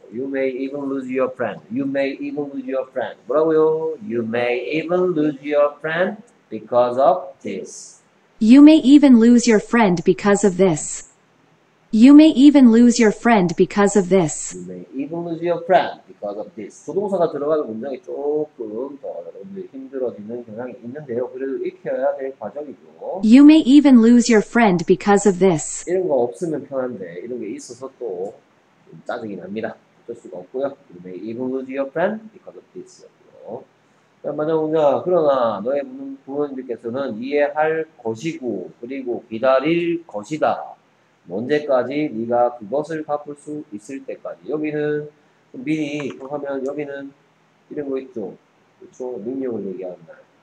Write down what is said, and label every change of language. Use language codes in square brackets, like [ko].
[en] You may even lose your friend. You may even lose your friend. [ko] 뭐라고요? [en] You may even lose your friend because of this. You may even lose your friend because of this. You may even lose your friend because of this. You may even lose your friend because of this. [ko] 조동사가 들어가는 문장이 조금 더 여러분들이 힘들어지는 경향이 있는데요. 그래도 익혀야 될 과정이죠. [en] You may even lose your friend because of this. [ko] 이런 거 없으면 편한데 이런 게 있어서 또 짜증이 납니다. 어쩔 수가 없고요. [en] You may even lose your friend because of this. [ko] 만약 우리가 그러나 너의 부모님들께서는 이해할 것이고 그리고 기다릴 것이다. 언제까지 네가 그것을 갚을 수 있을 때까지. 여기는 미리 하면 여기는 이런 거 있죠. 그렇죠. 능력을 얘기하는 날.